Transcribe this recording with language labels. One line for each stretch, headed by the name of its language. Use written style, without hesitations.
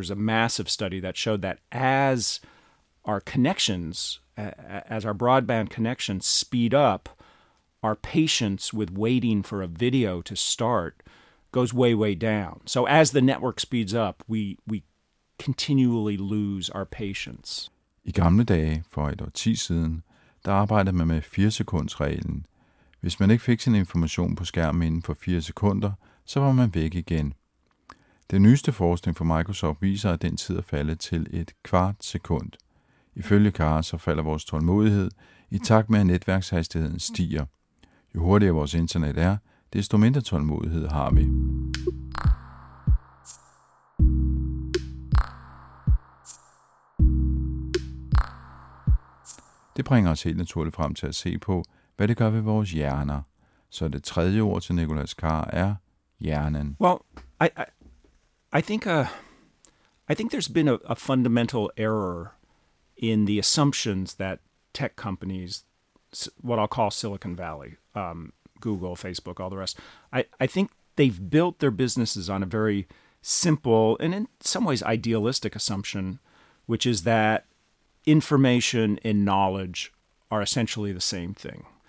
English: There's a massive study that showed that as our connections, as our broadband connections speed up, our patience with waiting for a video to start goes way, way down. So as the network speeds up, we continually lose our patience.
Danish: I gamle dage, for et år 10 siden, der arbejdede man med 4-sekundsreglen. Hvis man ikke fik sin information på skærmen inden for 4 sekunder, så var man væk igen. Den nyeste forskning fra Microsoft viser, at den tid er faldet til et kvart sekund. Ifølge Kara, så falder vores tålmodighed i takt med, at netværkshastigheden stiger. Jo hurtigere vores internet er, desto mindre tålmodighed har vi. Det bringer os helt naturligt frem til at se på, hvad det gør ved vores hjerner. Så det tredje ord til Nicolas Carr er hjernen.
English: Well, I think there's been a fundamental error in the assumptions that tech companies, what I'll call Silicon Valley, Google, Facebook, all the rest. I think they've built their businesses on a very simple and in some ways idealistic assumption, which is that information and knowledge are essentially the same thing.